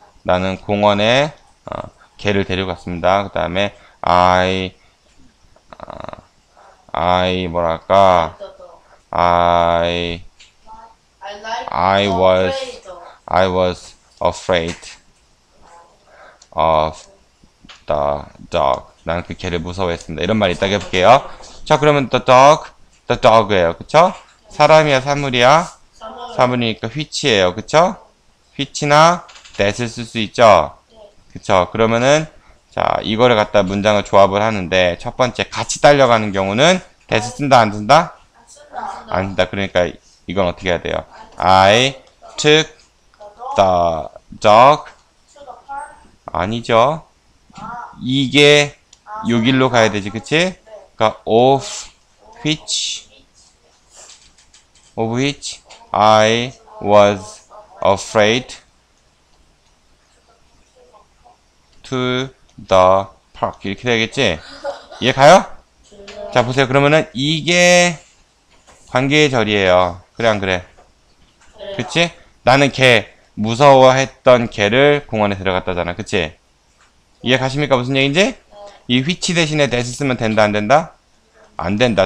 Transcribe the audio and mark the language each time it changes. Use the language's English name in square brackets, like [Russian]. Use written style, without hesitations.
[Korean] 나는 공원에 개를 데려갔습니다. 그 다음에 [English] I was afraid of the dog. [Korean] 난 그 개를 무서워했습니다. 이런 말 이따가 해볼게요. 자, 그러면 the dog예요. 그쵸? 사람이야, 사물이야? 사물이니까 휘치예요. 그쵸? 휘치나 that을 쓸 수 있죠? 그쵸? 그러면은 자, 이거를 갖다 문장을 조합을 하는데 첫 번째 같이 달려가는 경우는 that을 쓴다, 안 쓴다? 안 쓴다. 그러니까 이건 어떻게 해야 돼요? [English] I took the dog. [Korean] 아니죠. 이게 요 길로 가야 되지, 그치? 그러니까 [English] of which I was afraid to the park. [Korean] 이렇게 되겠지? 이해 가요? 자, 보세요. 그러면은 이게 관계절이에요. 그래, 안 그래? 그치? 나는 개, 무서워했던 개를 공원에 데려갔다잖아. 그치? 이해 가십니까? 무슨 얘기인지? 이 휘치 대신에 대시 쓰면 된다, 안 된다? 안 된다.